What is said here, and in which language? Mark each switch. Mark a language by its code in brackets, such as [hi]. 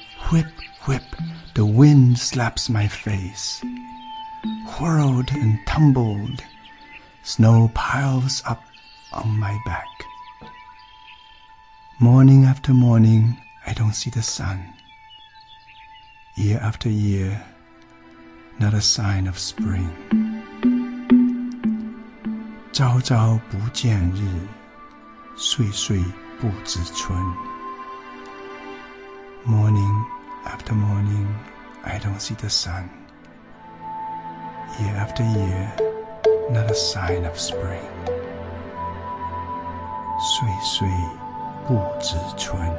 [en] Whip, whip, the wind slaps my face, whirled and tumbled, snow piles upon my back. Morning after morning, I don't see the sun. Year after year, not a sign of spring. [zh] 朝朝不见日，岁岁不知春。 [en] Morning after morning, I don't see the sun. Year after year, not a sign of spring. [zh] 岁岁不知春。